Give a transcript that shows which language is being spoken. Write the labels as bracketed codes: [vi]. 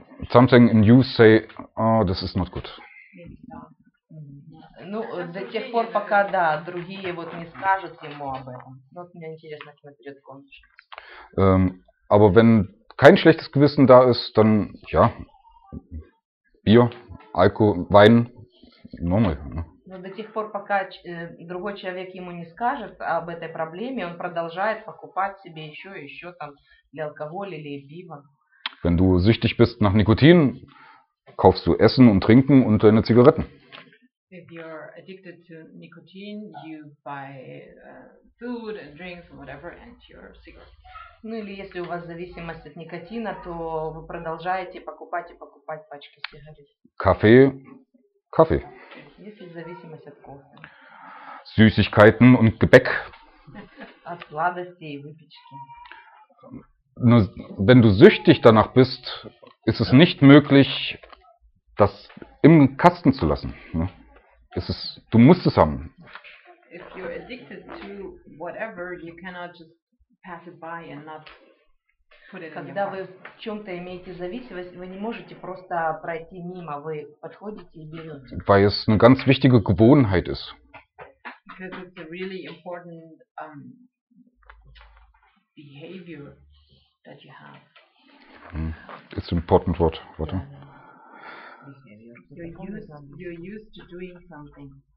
[en] Something in you say, oh, this is not good. [ru] Ну, до тех пор, пока, да, другие вот не скажут ему об этом. Вот мне интересно, кто придет к концу. [de] Aber wenn kein schlechtes Gewissen da ist, dann, ja, Bier, Alkohol, Wein, normal. [ru] Но до тех пор, пока другой человек ему не скажет об этой проблеме, он продолжает покупать себе еще и еще там для алкоголя или пива. [de] Wenn du süchtig bist nach Nikotin, kaufst du Essen und Trinken und deine Zigaretten. [en] If you're addicted to nicotine, you buy food and drinks and whatever and your cigarettes. [ru] Ну или если у вас зависимость от никотина, то вы продолжаете покупать и покупать пачки сигарет. Кафе. Если зависимость от кофе. [de] Süßigkeiten und Gebäck. [ru] От сладости и выпечки. Но, [de] wenn du süchtig danach bist, ist es nicht möglich, das im Kasten zu lassen. Du musst es haben. [en] If you're addicted to whatever, you cannot just pass it by and not put it. [ru] Когда вы в чем-то имеете зависимость, вы не можете просто пройти мимо. Вы подходите и берете. [de] Weil es eine ganz wichtige Gewohnheit ist. [en] Because it's a really important behavior that you have. It's an important word. [de] Warte. [en] You're used to doing something.